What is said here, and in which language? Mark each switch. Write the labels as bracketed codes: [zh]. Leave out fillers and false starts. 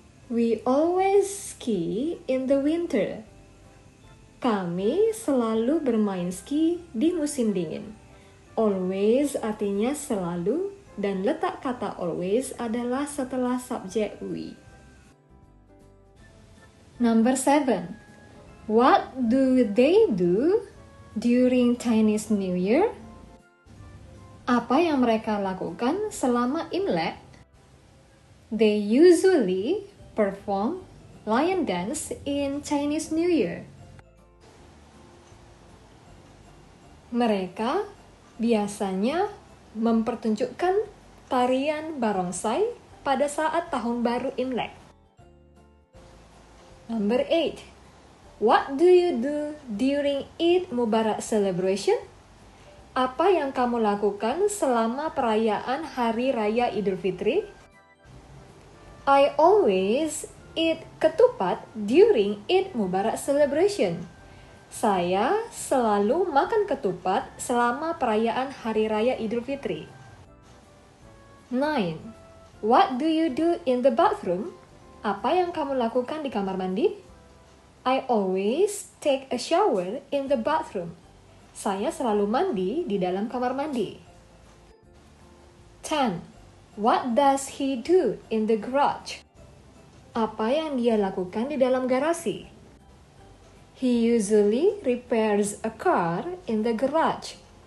[en] We always ski in the winter. [id] Kami selalu bermain ski di musim dingin. Always artinya selalu, dan letak kata always adalah setelah subjek we. [en] Number 7. What do they do during Chinese New Year? [id] Apa yang mereka lakukan selama Imlek? [en] They usually perform lion dance in Chinese New Year. [id] Mereka biasanya mempertunjukkan tarian barongsai pada saat tahun baru Imlek. [en] Number 8. What do you do during Eid Mubarak celebration? [id] Apa yang kamu lakukan selama perayaan Hari Raya Idul Fitri? [en] I always eat ketupat during Eid Mubarak celebration. [id] Saya selalu makan ketupat selama perayaan Hari Raya Idul Fitri. [en] 9. What do you do in the bathroom? [id] Apa yang kamu lakukan di kamar mandi? [en] I always take a shower in the bathroom. [id] Saya selalu mandi di dalam kamar mandi. 10. [en] What does he do in the garage? [id] Apa yang dia lakukan di dalam garasi? [en] He usually repairs a car in the garage.